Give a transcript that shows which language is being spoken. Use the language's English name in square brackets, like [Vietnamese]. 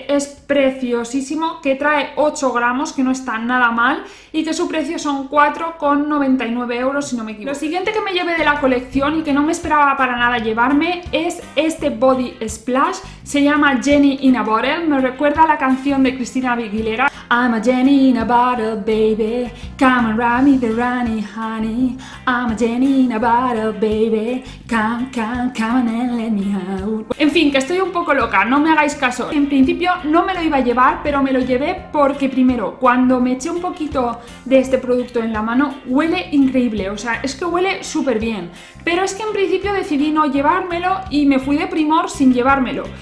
[Spanish] Es preciosísimo, que trae 8 gramos, que no está nada mal, y que su precio son 4,99 euros, si no me equivoco. Lo siguiente que me llevé de la colección y que no me esperaba para nada llevarme es este body splash. Se llama Jenny in a Bottle, me recuerda a la canción de Christina Aguilera. [English] I'm a Jenny in a bottle, baby, come and ride me the runny honey. I'm a Jenny in a bottle, baby, come and let me out. [Spanish] En fin, que estoy un poco loca, no me hagáis caso. En principio no me lo iba a llevar, pero me lo llevé porque primero, cuando me eché un poquito de este producto en la mano, huele increíble, o sea, es que huele súper bien. Pero es que en principio decidí no llevármelo y me fui de primor sin llevármelo.